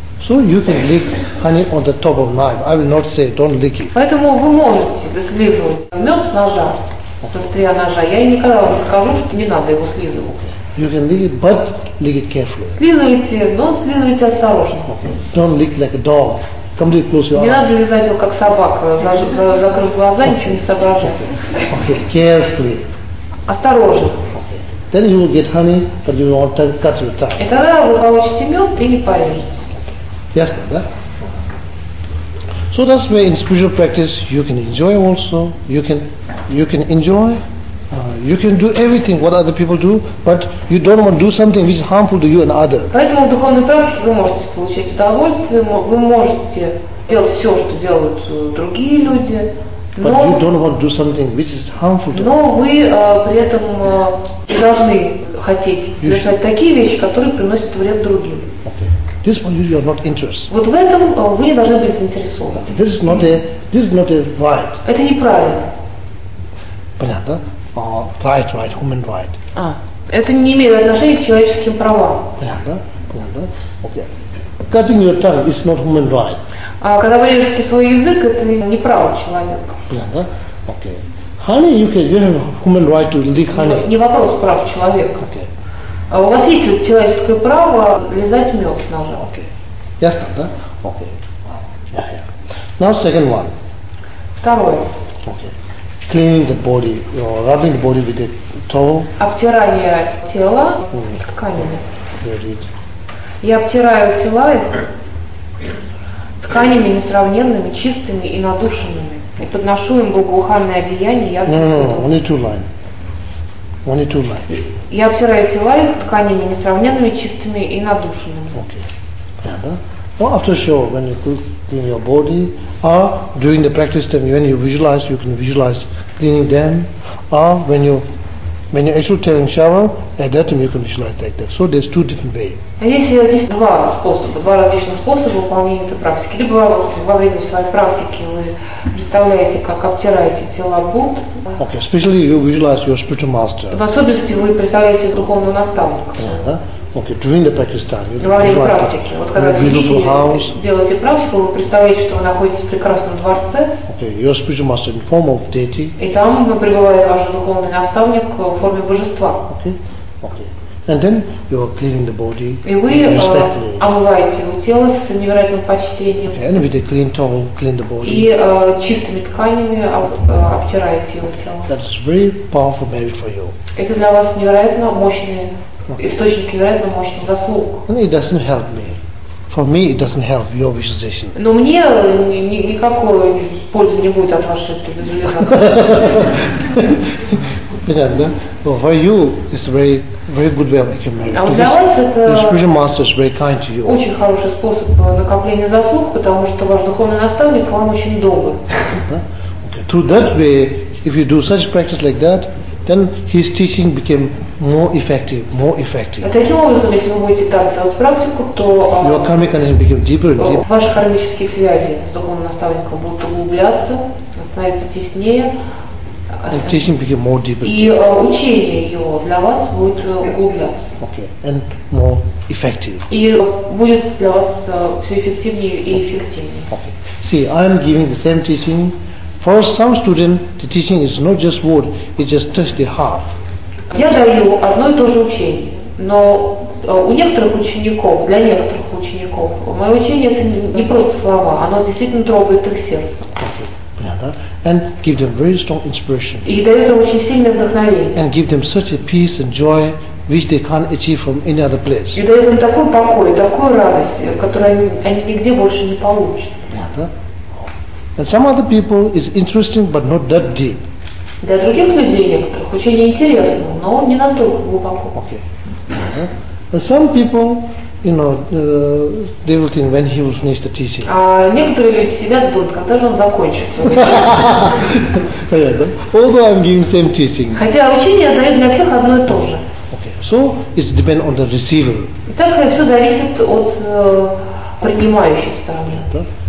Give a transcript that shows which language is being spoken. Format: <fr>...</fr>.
<en>So you can lick honey on the top of knife. I will not say don't lick it.</en> <ru>Поэтому вы можете слизывать мед с ножа, со острия ножа. Я никогда вам не скажу, что не надо его слизывать.</ru> <en>You can lick it, but lick it carefully.</en> <ru>Слизывайте, но слизывайте осторожно.</ru> <en>Don't lick like a dog. Come to close your eyes.</en> <ru>Не надо лизать его как собака, закрыв глаза, ничего не соображать.</ru> <en>Okay, carefully.</en> <ru>Осторожно.</ru> <en>Okay. Then you will get honey, but you won't cut your tongue.</en> <ru>И тогда вы получите мед и не порежете. Ясно, да?</ru> <en>So that's why in spiritual practice you can enjoy also, you can enjoy, you can do everything what other people do, but you don't want to do something which is harmful to you and others.</en> <ru>Поэтому в духовной практике вы можете получать удовольствие, вы можете делать все, что делают другие люди,</ru> <en>but you don't want to do something which is harmful to you.</en> <ru>Но вы при этом должны хотеть совершать такие вещи, которые приносят вред другим.</ru> <en>This one you are not interested.</en> <ru>Вот в этом вы не должны быть заинтересованы.</ru> <en>This is not a right.</en> <ru>Это неправильно. Понятно?</ru> <en>Right, human right.</en> <ru>А, это не имеет отношения к человеческим правам. Понятно?</ru> <en>Okay. Cutting your tongue is not human right.</en> <ru>А когда вы режете свой язык, это не право человека. Понятно?</ru> <en>Okay. Honey, you have human right to lick honey.</en> <ru>Не вопрос прав человека.</ru> <en>Okay.</en> <ru>У вас есть вот человеческое право лизать мёд с ножа. Окей. Ясно, да? Окей.</ru> <en>Now second one.</en> <ru>Второе. Окей.</ru> <en>Cleaning the body, rubbing the body with a towel.</en> <ru>Обтирание тела тканями. Говорит. Я обтираю тела тканями несравненными, чистыми и надушенными. И подношу им благоуханное одеяние.</ru> <en>Only two lines. Only two lines.</en> <ru>Я обтираю тела их тканями несравненными, чистыми и надушенными.</ru> <en>Okay. Yeah. Well, after sure, when you clean your body, during the practice time, when you visualize, you can visualize cleaning them. When you actually take a shower, at that time you can visualize like that. So there's two different ways.</en> <ru>Есть два различных способа выполнения этой практики. Либо во время своей практики вы представляете, как обтираете тела Будд.</ru> <en>Okay, especially you visualize your spiritual master.</en> <ru>В особенности вы представляете духовного наставника.</ru> <en>Okay, during the practice time.</en> <ru>Во время практики. Вот когда вы делаете практику, вы представляете, что вы находитесь в прекрасном дворце.</ru> <en>Okay, your spiritual master in form of deity.</en> <ru>И там пребывает ваш духовный наставник в форме божества.</ru> <en>Okay. And then you are cleaning the body.</en> <ru>И вы омываете его тело с невероятным почтением.</ru> <en>And with a clean towel, clean the body.</en> <ru>И чистыми тканями обтираете его тело.</ru> <en>That's very powerful merit for you.</en> <ru>Это для вас невероятно мощный источник невероятно мощных заслуг.</ru> <en>And it doesn't help me. For me, it doesn't help your visualization.</en> <ru>Но мне никакой пользы не будет от вашей этой визуализации. Да?</ru> <en>Well, for you, it's very, very good way of accumulating. Your master is very kind to you.</en> <ru>Очень хороший способ накопления заслуг, потому что ваш духовный наставник вам очень добр.</ru> <en>Okay. Through that way, if you do such practice like that, then his teaching became more effective.</en> <ru>Таким образом, если вы будете так делать практику, то</ru> <en>your karmic connection became deeper and deeper.</en> <ru>Ваши кармические связи с духовным наставником будут углубляться, становиться теснее.</ru> <en>And teaching became more deeper.</en> <ru>И учение его для вас будет углубляться.</ru> <en>Okay. And more effective.</en> <ru>И будет для вас все эффективнее и эффективнее.</ru> <en>Okay. See, I am giving the same teaching. For some students, the teaching is not just word; it just touch the heart.</en> <ru>Я даю одно и то же учение, но для некоторых учеников, мое учение это не просто слова, оно действительно трогает их сердце.</ru> <en>And give them very strong inspiration.</en> <ru>И дает им очень сильное вдохновение.</ru> <en>And give them such a peace and joy, which they can't achieve from any other place.</en> <ru>И дает им такой покой, такую радость, которую они нигде больше не получат.</ru> <en>And some other people is interesting, but not that deep.</en> <ru>Для других людей некоторых учение интересно, но не настолько глубоко.</ru> <en>Okay. Uh-huh. And some people, they will think when he will finish the teaching.</en> <ru>А некоторые люди сидят и думают, когда же он закончится.</ru> <en>Although I'm giving same teaching.</en> <ru>Хотя учение дает для всех одно и то же.</ru> <en>Okay. So it depends on the receiver.</en> <ru>Итак, все зависит от принимающей стороны.</ru>